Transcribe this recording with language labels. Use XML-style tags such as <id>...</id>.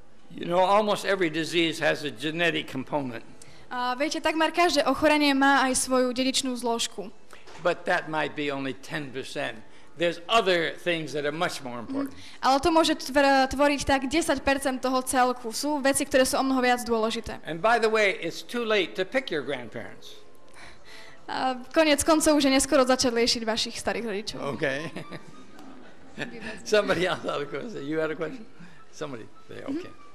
<en>You know, almost every disease has a genetic component.</en> <sk>Viete, takmer každé ochorenie má aj svoju dedičnú zložku.</sk> <en>But that might be only 10%. There's other things that are much more important.</en> <sk>Ale to môže tvoriť tak 10% toho celku. Sú veci, ktoré sú o mnoho viac dôležité.</sk> <en>And by the way, it's too late to pick your grandparents.</en> <sk>Koniec koncov už je neskoro začať liečiť vašich starých rodičov.</sk> <en>Okay. Somebody else had a question. You had a question? Somebody there, okay.</en>